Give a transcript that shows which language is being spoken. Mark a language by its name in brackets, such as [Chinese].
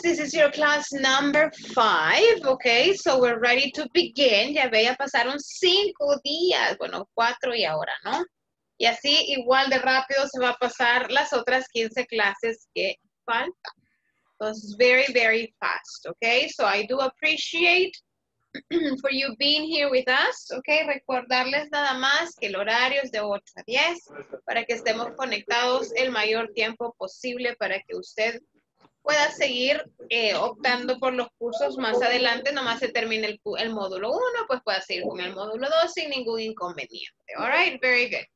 [English] This is your class number 5. Okay, so we're ready to begin. [Spanish] Ya ve, ya pasaron 5 días. Bueno, 4 y ahora, ¿no? Y así, igual de rápido se va a pasar las otras 15 clases que faltan. [English] So it's very, very fast, okay? So I do appreciate for you being here with us, okay? [Spanish] Recordarles nada más que el horario es de 8 a 10 para que estemos conectados el mayor tiempo posible para que usted pueda seguir optando por los cursos más adelante, nomás se termine el módulo 1, pues pueda seguir con el módulo 2 sin ningún inconveniente. [English] All right, very good.